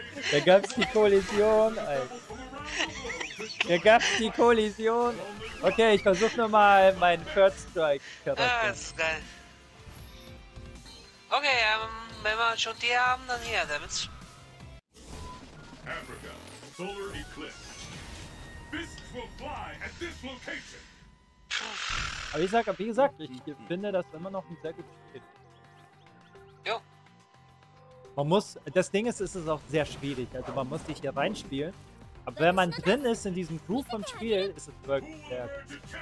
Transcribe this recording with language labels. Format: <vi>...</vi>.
<de>Da gab's die Kollision, Alter. Da gab's die Kollision. Okay, ich versuch nochmal meinen Third Strike-Charakter. Ah, das ist geil. Okay, wenn wir schon die haben, dann hier, damit's.</de> <en>Africa, solar eclipse. Fists will fly at this location.</en> <de>Aber ich sag, wie gesagt, ich finde das immer noch ein sehr gutes Spiel. Jo. Man muss, das Ding ist, es ist auch sehr schwierig. Also man muss sich hier reinspielen. Aber wenn man drin ist in diesem Groove vom Spiel, ist es wirklich sehr gut.</de>